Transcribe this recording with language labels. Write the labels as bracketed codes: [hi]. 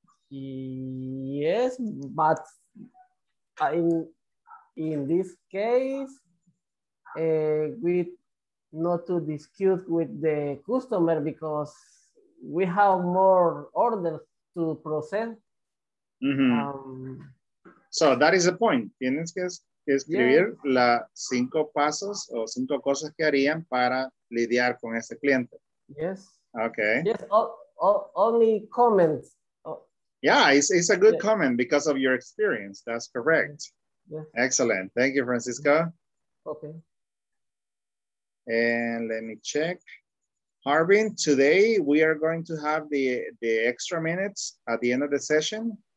[en] Yes, but in this case, we not to dispute with the customer because we have more orders to present. Mm-hmm. So that is the point. [es] Tienes que escribir las cinco pasos o cinco cosas que harían para lidiar con ese cliente. [en] Yes. Okay. Yes, only comments. Yeah, it's a good comment because of your experience. That's correct. Yeah. Excellent. Thank you, Francisco. Okay. And let me check. Harbin, today we are going to have the extra minutes at the end of the session.